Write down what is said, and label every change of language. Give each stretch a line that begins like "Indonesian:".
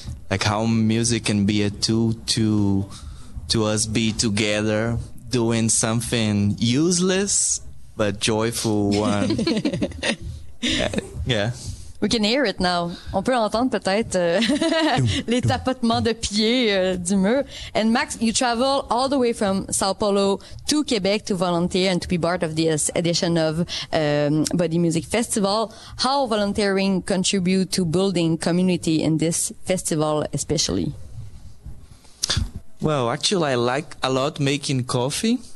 English: Like how music can be a tool to us be together, doing something useless but joyful one. Yeah. We can hear it now.
French: On peut entendre peut-être les tapotements de pieds du mur.
English: And Max, you travel all the way from Sao Paulo to Quebec to volunteer and to be part of this edition of Body Music Festival. How volunteering contribute to building community in this festival especially? Well, actually, I like a lot making coffee.